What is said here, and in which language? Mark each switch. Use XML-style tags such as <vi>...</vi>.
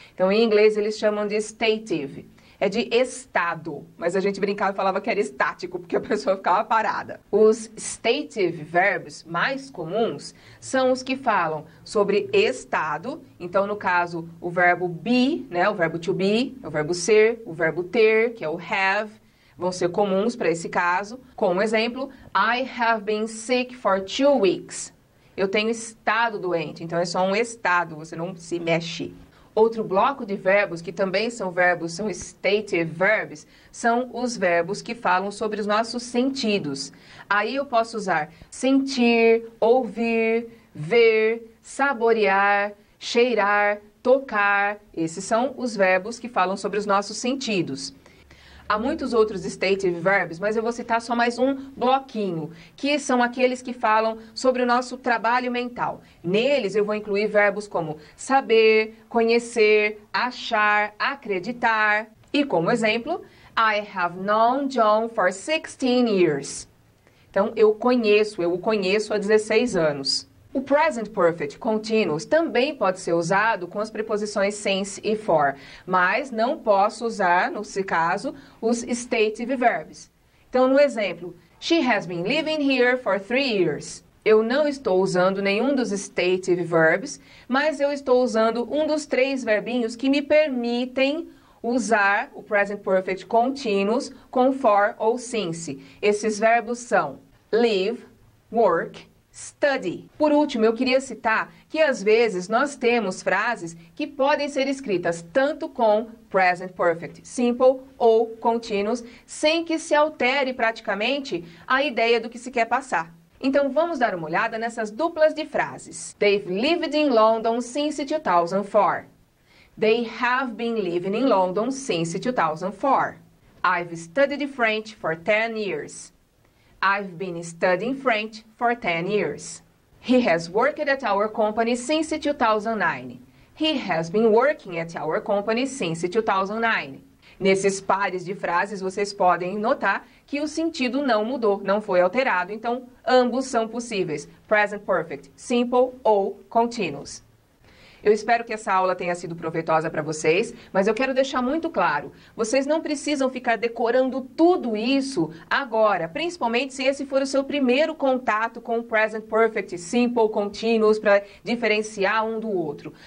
<pt>Então, em inglês, eles chamam de stative. É de estado, mas a gente brincava e falava que era estático, porque a pessoa ficava parada. Os stative verbs mais comuns são os que falam sobre estado. Então, no caso, o verbo be, né, o verbo to be, o verbo ser, o verbo ter, que é o have, vão ser comuns para esse caso. Como exemplo,</pt> <en>I have been sick for 2 weeks.</en> <pt>Eu tenho estado doente, então é só um estado, você não se mexe. Outro bloco de verbos, que também são verbos, são stative verbs, são os verbos que falam sobre os nossos sentidos. Aí eu posso usar sentir, ouvir, ver, saborear, cheirar, tocar. Esses são os verbos que falam sobre os nossos sentidos. Há muitos outros stative verbs, mas eu vou citar só mais um bloquinho, que são aqueles que falam sobre o nosso trabalho mental. Neles eu vou incluir verbos como saber, conhecer, achar, acreditar. E como exemplo,</pt> <en>I have known John for 16 years.</en> <pt>Então, eu o conheço há 16 anos. O present perfect continuous também pode ser usado com as preposições since e for, mas não posso usar, nesse caso, os stative verbs. Então, no exemplo,</pt> <en>she has been living here for 3 years.</en> <pt>Eu não estou usando nenhum dos stative verbs, mas eu estou usando um dos três verbinhos que me permitem usar o present perfect continuous com for ou since. Esses verbos são live, work, study. Por último, eu queria citar que às vezes nós temos frases que podem ser escritas tanto com present perfect simple ou continuous, sem que se altere praticamente a ideia do que se quer passar. Então vamos dar uma olhada nessas duplas de frases.</pt> <en>They've lived in London since 2004. They have been living in London since 2004. I've studied French for 10 years. I've been studying French for 10 years. He has worked at our company since 2009. He has been working at our company since 2009.</en> <pt>Nesses pares de frases, vocês podem notar que o sentido não mudou, não foi alterado. Então, ambos são possíveis: present perfect, simple ou continuous. Eu espero que essa aula tenha sido proveitosa para vocês, mas eu quero deixar muito claro: vocês não precisam ficar decorando tudo isso agora, principalmente se esse for o seu primeiro contato com o present perfect, simple, continuous, para diferenciar um do outro.</pt>